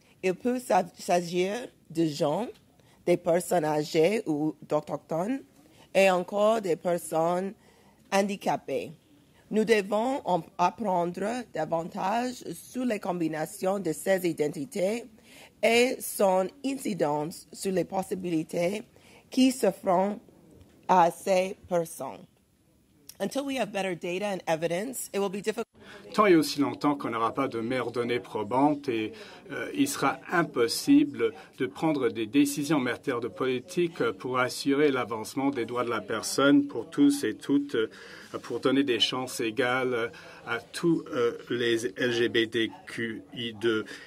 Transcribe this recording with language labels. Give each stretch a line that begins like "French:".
French: Il peut s'agir de gens, des personnes âgées ou d'autochtones, et encore des personnes handicapées. Nous devons apprendre davantage sur les combinaisons de ces identités et son incidence sur les possibilités qui se feront à ces personnes.
English: Until we have better data and evidence, it will be difficult.
French: Tant et aussi longtemps qu'on n'aura pas de meilleures données probantes, et il sera impossible de prendre des décisions en matière de politique pour assurer l'avancement des droits de la personne pour tous et toutes, pour donner des chances égales à tous les LGBTQI2.